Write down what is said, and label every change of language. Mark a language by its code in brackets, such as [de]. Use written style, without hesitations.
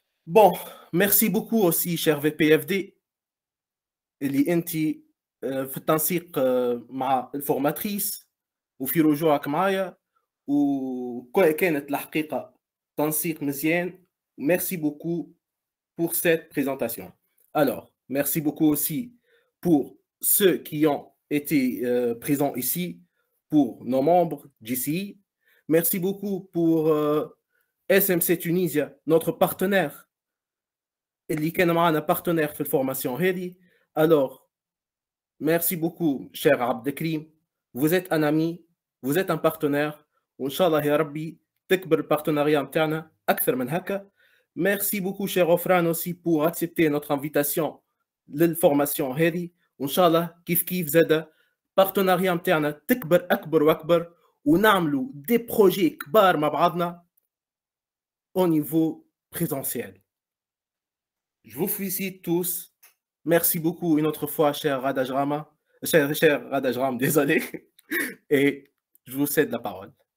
[fr] Bon, merci beaucoup aussi cher VPFD [ar] اللي انت في التنسيق مع الفورماتريس وفي رجوعك معايا وكانت الحقيقة تنسيق مزيان. [fr] Merci beaucoup pour cette présentation. Alors, merci beaucoup aussi pour ceux qui ont été présents ici, pour nos membres GCI. Merci beaucoup pour SMC Tunisia, notre partenaire, [ar] اللي كان معنا [fr] partenaire [ar] في الفورماسيون هذي. [fr] Alors, merci beaucoup, cher Abdelkrim. Vous êtes un ami, vous êtes un partenaire. [ar] Inch'Allah, ya Rabbi, تكبر البارتناريام تاعنا أكثر من هكا. [fr] Merci beaucoup, cher Ofran, aussi, pour accepter notre invitation [ar] للفورماسيون هذي. Inch'Allah, كيف كيف زادة البارتناريام تاعنا تكبر أكبر وأكبر ونعملو دي بروجي كبار مع بعضنا [fr] au niveau présentiel. Je vous félicite tous. Merci beaucoup une autre fois, cher Radaj Rama. Cher Radaj Ram, désolé. Et je vous cède la parole.